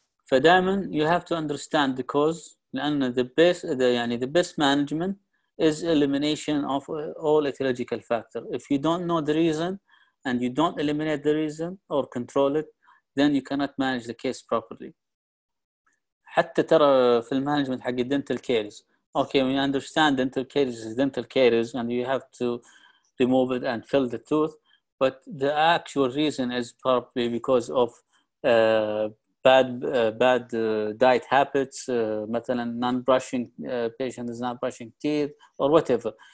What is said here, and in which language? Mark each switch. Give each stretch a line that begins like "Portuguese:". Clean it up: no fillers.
English: فدائما you have to understand the cause, لأن the best management is elimination of all etiological factor. If you don't know the reason and you don't eliminate the reason or control it, then you cannot manage the case properly.
Arabic: حتى ترى في المانجمنت حق dental caries.
English: Okay, we understand dental caries is dental caries and you have to remove it and fill the tooth. But the actual reason is probably because of bad diet habits. مثلا non-brushing, patient is not brushing teeth or whatever.